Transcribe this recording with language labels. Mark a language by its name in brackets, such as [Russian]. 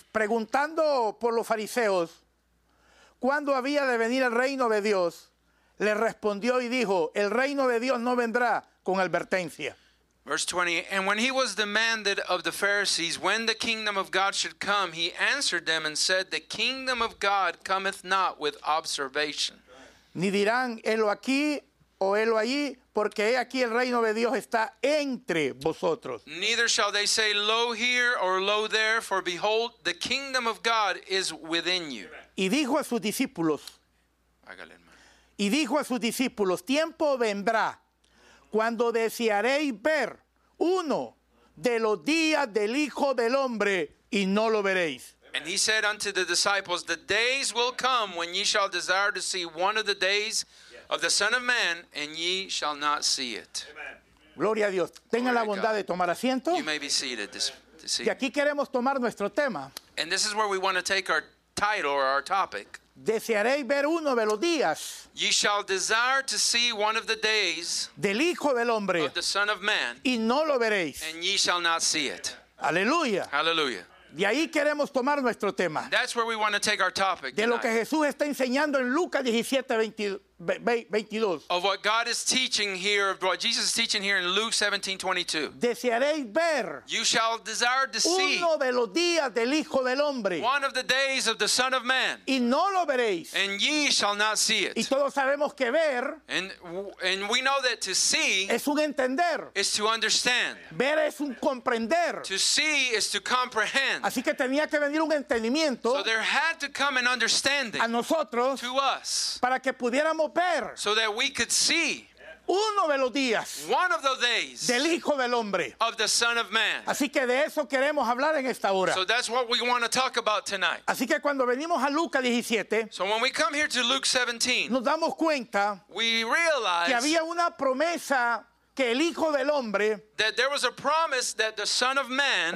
[Spanish] Preguntando por los fariseos cuándo había de venir el reino de Dios, le respondió y dijo, el reino de Dios no vendrá con advertencia. [English] Verse 20, and when he was demanded of the Pharisees when the kingdom of God should come, he answered them and said, the kingdom of God cometh not with observation. [Spanish] Ni dirán, helo aquí o helo allí, porque he aquí el reino de Dios está entre vosotros. [English] Neither shall they say, lo here or lo there, for behold, the kingdom of God is within you. [Spanish] Y dijo a sus discípulos, Y dijo a sus discípulos, tiempo vendrá cuando desearéis ver uno de los días del Hijo del Hombre y no lo veréis. [English] And he said unto the disciples, the days will come when ye shall desire to see one of the days of the Son of Man, and ye shall not see it. [Spanish] Amen. Gloria a Dios. Tenga la bondad de tomar asiento. [English] You may be seated. [Spanish] Y aquí queremos tomar nuestro tema. [English] And this is where we want to take our title or our topic. [Spanish] Desearéis ver uno de los días. [English] Ye shall desire to see one of the days [Spanish] del Hijo del Hombre. [English] Of the Son of Man. [Spanish] Y no lo veréis. [English] And ye shall not see it. [Spanish] Aleluya. [English] Hallelujah. [Spanish] De ahí queremos tomar nuestro tema. [English] That's where we want to take our topic. [Spanish] De lo que Jesús está enseñando en Lucas 17:22. [English] Of what God is teaching here, of what Jesus is teaching here in Luke 17:22. [Spanish] Desearéis ver. [English] You shall desire to see. [Spanish] Uno de los días del Hijo del Hombre. [English] One of the days of the Son of Man. [Spanish] Y no lo veréis. [English] And ye shall not see it. [Spanish] Y todos sabemos que ver. [English] And we know that to see. [Spanish] Es un entender. [English] Is to understand. [Spanish] Ver es un comprender. [English] To see is to comprehend. [Spanish] Así que tenía que venir un entendimiento. [English] So there had to come an understanding. [Spanish] A nosotros. [English] To us. [Spanish] Para que pudiéramos. [English] So that we could see [Spanish] uno de los días, [English] one of the days [Spanish] del Hijo del Hombre, [English] of the Son of Man. [Spanish] Así que de eso queremos hablar en esta hora. [English] So that's what we want to talk about tonight. [Spanish] Así que cuando venimos a Lucas 17, [English] so when we come here to Luke 17, [Spanish] nos damos cuenta, [English] we realize [Spanish] que había una promesa que el Hijo del Hombre, [English] that there was a promise that the Son of Man